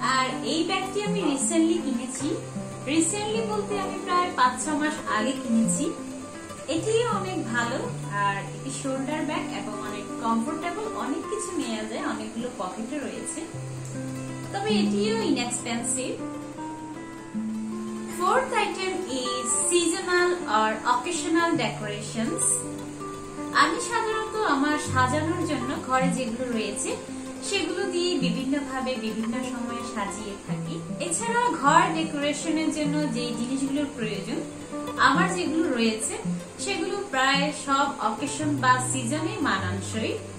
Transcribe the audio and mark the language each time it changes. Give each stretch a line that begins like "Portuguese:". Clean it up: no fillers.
Bangla: আর এই ব্যাগটি আমি রিসেন্টলি কিনেছি, রিসেন্টলি বলতে আমি প্রায় 5-6 মাস আগে কিনেছি। এটিও অনেক ভালো, আর এটি শোল্ডার ব্যাগ এবং অনেক কমফোর্টেবল, অনেক কিছু নেওয়া যায়, অনেকগুলো পকেটও রয়েছে, তবে এটিও inexpensive.
English: Fourth item is seasonal or occasional decorations.
Bangla: আমি সাধারণত আমার সাজানোর জন্য ঘরে যেগুলো রয়েছে সেগুলো দিয়ে বিভিন্ন ভাবে বিভিন্ন সময়ে সাজিয়ে থাকি। এছাড়াও ঘর ডেকোরেশনের জন্য যে জিনিসগুলোর প্রয়োজন আমার যেগুলো রয়েছে সেগুলো প্রায় সব অকেশন বা সিজনে মানানসই।